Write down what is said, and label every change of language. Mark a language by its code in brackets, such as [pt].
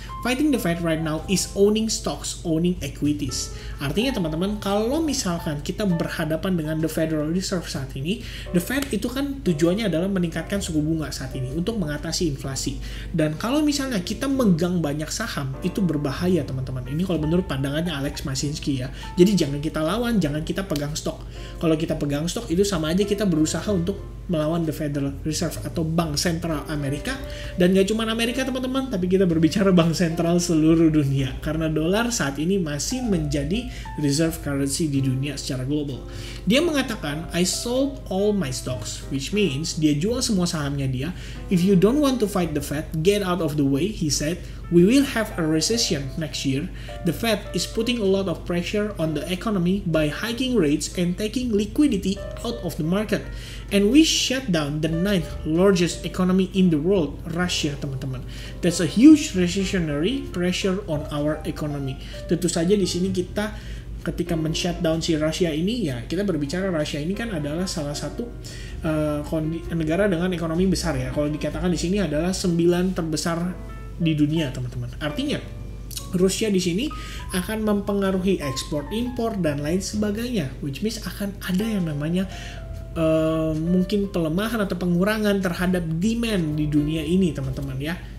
[en] Fighting the Fed right now is owning stocks, owning equities. [id] Artinya, teman-teman, kalau misalkan kita berhadapan dengan the Federal Reserve saat ini, the Fed itu kan tujuannya adalah meningkatkan suku bunga saat ini untuk mengatasi inflasi. Dan kalau misalnya kita megang banyak saham, itu berbahaya, teman-teman. Ini kalau menurut pandangannya Alex Mashinsky, ya. Jadi jangan kita lawan, jangan kita pegang stok. Kalau kita pegang stok, itu sama aja kita berusaha untuk melawan the Federal Reserve atau Bank Sentral Amerika. Dan gak cuma Amerika, teman-teman, tapi kita berbicara bank sentral seluruh dunia, karena dolar saat ini masih menjadi reserve currency di dunia secara global. Dia mengatakan, [en] I sold all my stocks, which means [id] dia jual semua sahamnya dia. [en] If you don't want to fight the Fed, get out of the way, he said. We will have a recession next year. The Fed is putting a lot of pressure on the economy by hiking rates and taking liquidity out of the market. And we shut down the ninth largest economy in the world, Russia, teman-teman. That's a huge recessionary pressure on our economy. [id] Tentu saja di sini kita ketika men-shutdown si Rusia ini, ya, kita berbicara Rusia ini kan adalah salah satu negara dengan ekonomi besar, ya. Kalau dikatakan di sini adalah 9 terbesar di dunia, teman-teman. Artinya Rusia di sini akan mempengaruhi ekspor, impor dan lain sebagainya, [en] which means [id] akan ada yang namanya mungkin pelemahan atau pengurangan terhadap demand di dunia ini, teman-teman, ya.